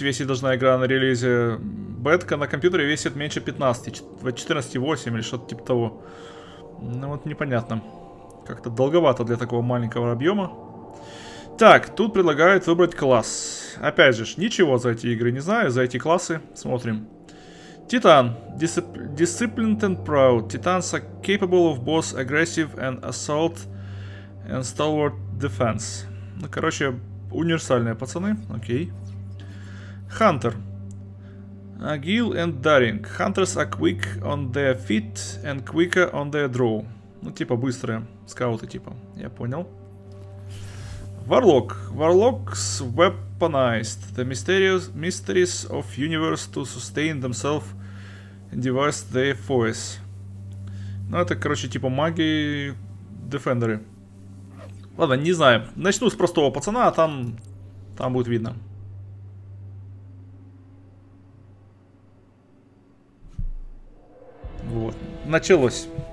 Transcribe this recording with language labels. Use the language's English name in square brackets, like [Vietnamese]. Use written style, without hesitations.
[Russian] Весит должна игра на релизе. Бетка на компьютере весит меньше 15. 14,8 или что-то типа того. Ну вот непонятно. Как-то долговато для такого маленького объема. Так, тут предлагают выбрать класс. Опять же, ничего за эти игры не знаю. За эти классы смотрим. Титан. [English] Disciplined and proud. Titans are capable of both aggressive and assault and stalwart defense. [Russian] Ну, короче, универсальные пацаны. Окей. Hunter. [English] Agile and daring. Hunters are quick on their feet and quicker on their draw. [Russian] Ну, типа, быстрые скауты, типа. Я понял. Warlock. [English] Warlocks weaponized the mysterious mysteries of universe to sustain themselves. [Russian] Девайс DFOS. Ну, это, короче, типа маги дефендеры. Ладно, не знаю. Начну с простого пацана, а там будет видно. Вот. Началось.